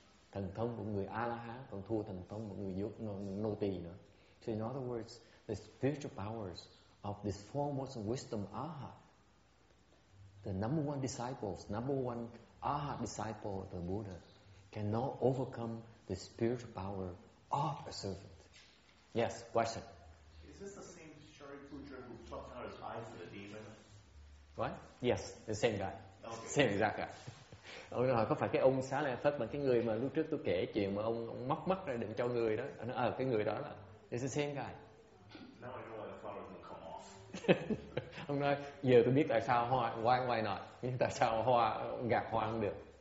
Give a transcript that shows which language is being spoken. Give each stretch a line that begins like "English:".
Vietnamese: Thần thông của người A-la-hán còn thua thần thông của người nô tỳ nữa.
English: So in other words, the spiritual powers of this foremost wisdom arhat, the number one disciples, number one arhat disciple of the Buddha, cannot overcome the spiritual power of a servant. Yes, question. Is this the same Shariputra who plucked out his eyes for the demon? What? Yes, the same guy. Okay. Same exact guy.
Vietnamese: Ông nói có phải cái ông Xá Lợi Phất mà cái người mà lúc trước tôi kể chuyện mà ông móc mắt ra định cho người đó. Ông nói ờ cái người đó là
English: it's the same guy. Now I know why the flower didn't come off.
Vietnamese: Ông nói giờ tôi biết tại sao hoa
English: why not?
Vietnamese: Nhưng tại sao hoa gạt hoa không được?